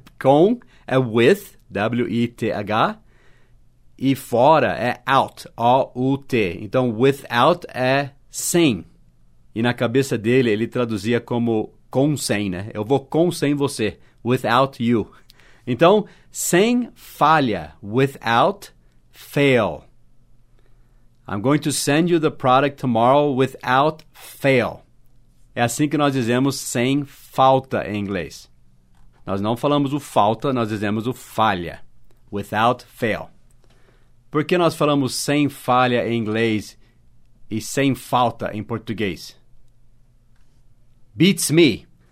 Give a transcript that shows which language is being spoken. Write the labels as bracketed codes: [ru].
[pt] Com é with, W-I-T-H. E fora é out, O-U-T. Então, without é sem. E na cabeça dele, ele traduzia como com sem, né? Eu vou com sem você, [en] without you. [pt] Então, sem falha, [en] without fail. I'm going to send you the product tomorrow without fail. [pt] É assim que nós dizemos sem falta em inglês. Nós não falamos o falta, nós dizemos o falha, [en] without fail. [pt] Por que nós falamos sem falha em inglês e sem falta em português? [en] Beats me.